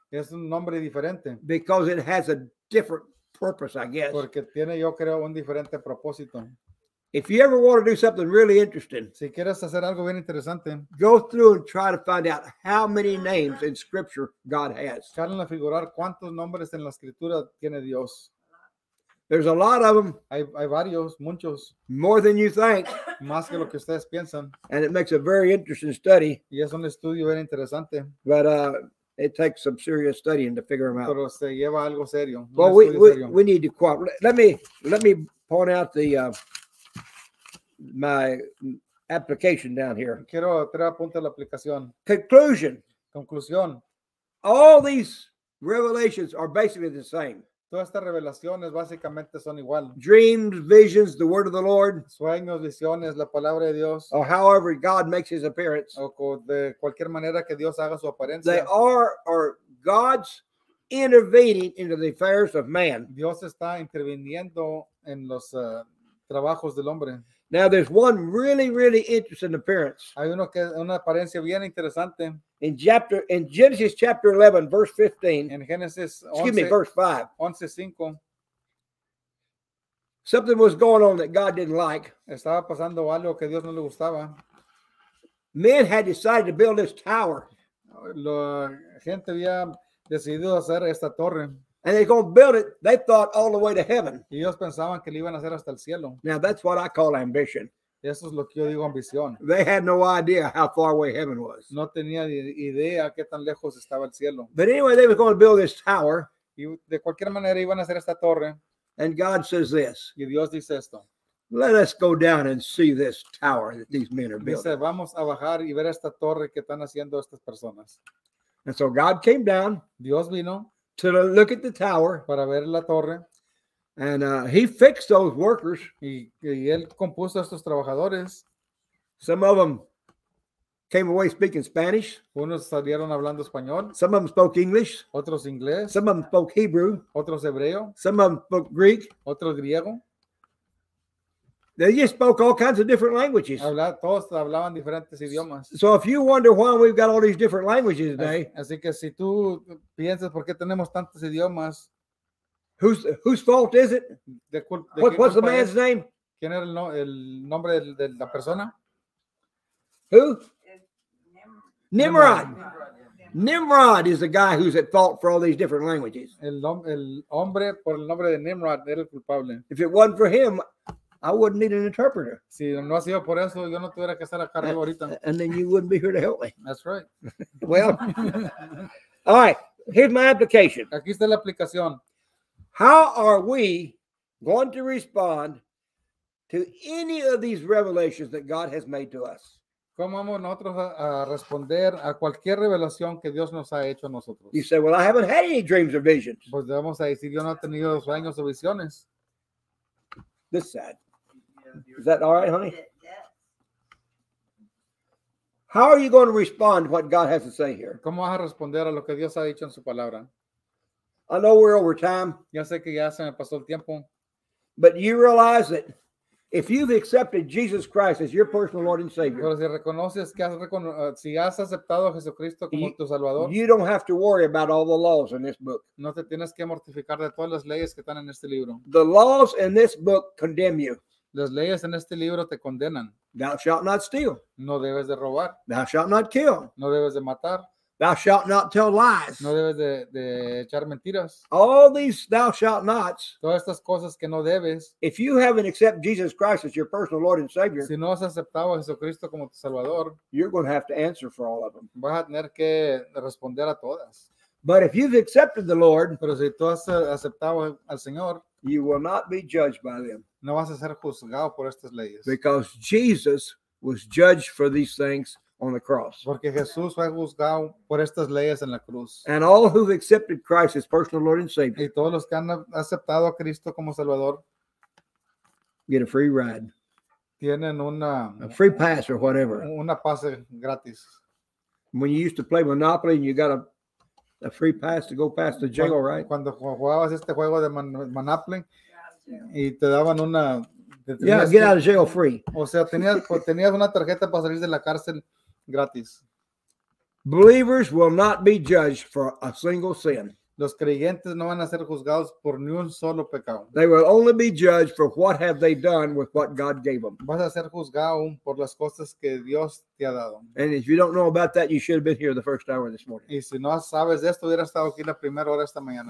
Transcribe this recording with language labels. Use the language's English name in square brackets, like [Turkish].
[Spanish] Es un nombre diferente. [English] Because it has a different purpose, I guess. [Spanish] Porque tiene, yo creo, un diferente propósito. [English] If you ever want to do something really interesting, [Spanish] si quieres hacer algo bien interesante, [English] go through and try to find out how many names in Scripture God has. [Spanish] Traten de figurar cuántos nombres en la Escritura tiene Dios. [English] There's a lot of them. [Spanish] Hay varios, muchos. [English] More than you think. [Spanish] Más que lo que ustedes piensan. [English] And it makes a very interesting study. [Spanish] Y es un estudio bien interesante. [English] But it takes some serious studying to figure them out. [Spanish] Pero se lleva algo serio. [English] Well, we need to cooperate. Let me point out the my application down here. [Spanish] Quiero tres apuntes a la aplicación. [English] Conclusion. [Spanish] Conclusión. [English] All these revelations are basically the same. [Spanish] Todas estas revelaciones básicamente son igual. [English] Dreams, visions, the word of the Lord. [Spanish] Sueños, visiones, la palabra de Dios. [English] Or however God makes his appearance. [Spanish] O de cualquier manera que Dios haga su apariencia. [English] They are God's intervening into the affairs of man. [Spanish] Dios está interviniendo en los trabajos del hombre. [English] Now there's one really, really interesting appearance. [Spanish] Hay uno que una apariencia bien interesante. [English] In Genesis chapter 11, verse 15. In Genesis 11, excuse me, verse 5. 11:5. Something was going on that God didn't like. [Spanish] Estaba pasando algo que Dios no le gustaba. [English] Men had decided to build this tower. [Spanish] La gente había decidido hacer esta torre. [English] And they're going to build it, they thought, all the way to heaven. [Spanish] Y ellos pensaban que lo iban a hacer hasta el cielo. [English] Now, that's what I call ambition. [Spanish] Eso es lo que yo digo, ambición. [English] They had no idea how far away heaven was. [Spanish] No tenía idea qué tan lejos estaba el cielo. [English] But anyway, they were going to build this tower. [Spanish] Y de cualquier manera, iban a hacer esta torre. [English] And God says this. [Spanish] Y Dios dice esto. [English] Let us go down and see this tower that these men are building. [Spanish] Dice, vamos a bajar y ver esta torre que están haciendo estas personas. [English] And so God came down. [Spanish] Dios vino. [English] To look at the tower. [Spanish] Para ver la torre. [English] And he fixed those workers. [Spanish] Y él compuso a estos trabajadores. [English] Some of them came away speaking Spanish. [Spanish] Unos salieron hablando español. [English] Some of them spoke English. [Spanish] Otros inglés. [English] Some of them spoke Hebrew. [Spanish] Otros hebreo. [English] Some of them spoke Greek. [Spanish] Otros griego. [English] They just spoke all kinds of different languages. [Spanish] Todos hablaban diferentes idiomas. [English] So if you wonder why we've got all these different languages today. [Spanish] Así que si tú piensas por qué tenemos tantos idiomas. [English] Whose fault is it? What's the man's name? [Spanish] ¿Quién era el nombre de la persona? [English] Who? Nimrod. Nimrod is the guy who's at fault for all these different languages. [Spanish] El hombre por el nombre de Nimrod era el culpable. [English] If it wasn't for him, I wouldn't need an interpreter. [Spanish] Si no ha sido por eso, yo no tuviera que estar a cargo ahorita. [English] And then you wouldn't be here to help me. That's right. Well, all right. Here's my application. [Spanish] Aquí está la aplicación. [English] How are we going to respond to any of these revelations that God has made to us? [Spanish] ¿Cómo vamos nosotros a responder a cualquier revelación que Dios nos ha hecho a nosotros? [English] You say, well, I haven't had any dreams or visions. [Spanish] Pues vamos a decir, yo no he tenido sueños o visiones. [English] This side. Is that all right, honey? How are you going to respond to what God has to say here? [Spanish] ¿Cómo vas a responder a lo que Dios ha dicho en su palabra? [English] I know we're over time. [Spanish] Ya sé que ya se me pasó el tiempo. [English] But you realize that if you've accepted Jesus Christ as your personal Lord and Savior, [Spanish] pero si reconoces que si has aceptado a Jesucristo como tu Salvador, [English] you don't have to worry about all the laws in this book. [Spanish] No te tienes que mortificar de todas las leyes que están en este libro. [English] The laws in this book condemn you. [Spanish] Las leyes en este libro te condenan. [English] Thou shalt not steal. [Spanish] No debes de robar. [English] Thou shalt not kill. [Spanish] No debes de matar. [English] Thou shalt not tell lies. [Spanish] No debes de echar mentiras. [English] All these thou shalt nots. [Spanish] Todas estas cosas que no debes. [English] If you haven't accepted Jesus Christ as your personal Lord and Savior, [Spanish] si no has aceptado a Jesucristo como tu Salvador, [English] you're going to have to answer for all of them. [Spanish] Vas a tener que responder a todas. [English] But if you've accepted the Lord, [Spanish] pero si tú has aceptado al Señor, [English] you will not be judged by them. [Spanish] No vas a ser juzgado por estas leyes. [English] Because Jesus was judged for these things on the cross. [Spanish] Porque Jesús fue juzgado por estas leyes en la cruz. [English] And all who've accepted Christ as personal Lord and Savior. [Spanish] Y todos los que han aceptado a Cristo como Salvador. [English] Get a free ride. [Spanish] Tienen una. [English] A free pass or whatever. [Spanish] Una pase gratis. [English] when you used to play Monopoly and you got a free pass to go past the jail, right? [Spanish] Cuando jugabas este juego de Monopoly y te daban una... [English] Yeah, get out of jail free. [Spanish] O sea, tenías una tarjeta para salir de la cárcel gratis. [English] Believers will not be judged for a single sin. [Spanish] Los creyentes no van a ser juzgados por ni un solo pecado. [English] They will only be judged for what have they done with what God gave them. [Spanish] Vas a ser juzgado por las cosas que Dios te ha dado. [English] And if you don't know about that, you should have been here the first hour this morning. [Spanish] Y si no sabes de esto, hubiera estado aquí la primera hora esta mañana.